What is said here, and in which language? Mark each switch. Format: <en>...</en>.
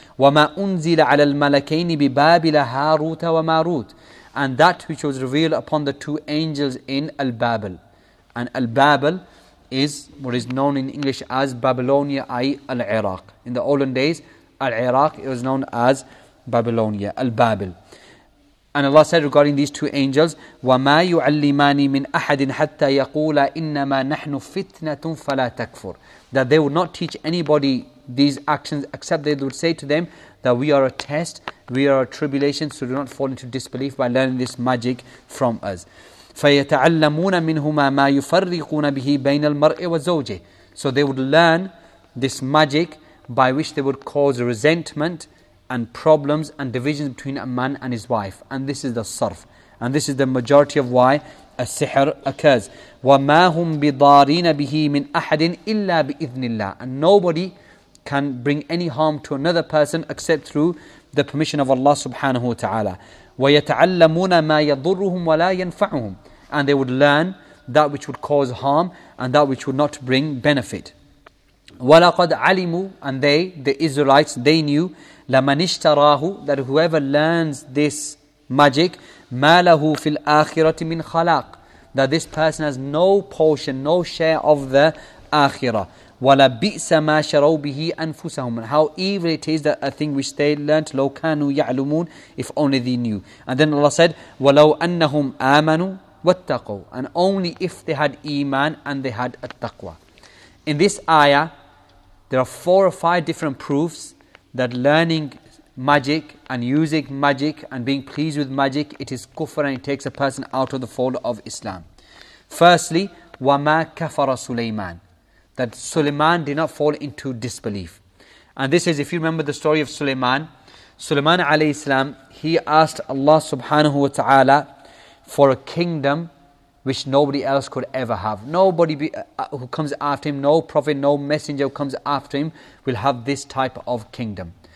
<ar>وَمَا أُنزِلَ عَلَى الْمَلَكَيْنِ بِبَابِلَ هَارُوتَ وَمَارُوتَ.</ar> <en>And that which was revealed upon the two angels in Al-Babel. And Al-Babel is what is known in English as Babylonia, i.e. Al-Iraq. In the olden days, Al-Iraq, it was known as Babylonia, Al-Babel. And Allah said regarding these two angels,</en> <ar>وَمَا يُعَلِّمَانِ مِنْ أَحَدٍ حَتَّى يَقُولَ إِنَّمَا نَحْنُ فِتْنَةٌ فَلَا تَكْفُرْ.</ar> <en>That they would not teach anybody these actions, except they would say to them that we are a test, we are a tribulation, so do not fall into disbelief by learning this magic from us.</en> <ar>فَيَتَعَلَّمُونَ مِنْهُمَا مَا يُفَرِّقُونَ بِهِ بَيْنَ الْمَرْءِ وَزَوْجِهِ.</ar> <en>So they would learn this magic by which they would cause resentment and problems and divisions between a man and his wife. And this is the sarf. And this is the majority of why a sihr occurs.</en> <ar>وَمَا هُمْ بِضَارِينَ بِهِ مِنْ أَحَدٍ إِلَّا بِإِذْنِ اللَّهِ.</ar> <en>And nobody can bring any harm to another person except through the permission of Allah subhanahu wa ta'ala.</en> <ar>وَيَتَعَلَّمُونَ مَا يَضُرُّهُمْ وَلَا يَنْفَعُهُمْ.</ar> <en>And they would learn that which would cause harm and that which would not bring benefit.</en> <ar>وَلَقَدْ عَلِمُوا.</ar> <en>And the Israelites, they knew.</en> <ar>لَمَنِ اشْتَرَاهُ.</ar> <en>That whoever learns this magic,</en> <ar>مَا لَهُ فِي الْآخِرَةِ مِنْ خَلَاقٍ.</ar> <en>That this person has no portion, no share of the Akhirah.</en> <ar>وَلَبِئْسَ مَا شَرَوْ بِهِ أَنفُسَهُمْ.</ar> <en>And how evil it is that a thing which they learnt,</en> <ar>لَوْ كَانُوا يَعْلُمُونَ.</ar> <en>If only they knew. And then Allah said,</en> <ar>وَلَوْ أَنَّهُمْ آمَنُوا وَاتَّقُوا.</ar> <en>And only if they had iman and they had attaqwa. In this ayah, there are four or five different proofs that learning magic and using magic and being pleased with magic, it is kufr and it takes a person out of the fold of Islam. Firstly,</en> <ar>وَمَا كَفَرَ سُلَيْمَانَ.</ar> <en>That Sulaiman did not fall into disbelief. And this is, if you remember the story of Sulaiman, Sulaiman alayhi salam, he asked Allah subhanahu wa ta'ala for a kingdom which nobody else could ever have. Nobody who comes after him, no prophet, no messenger who comes after him will have this type of kingdom.</en>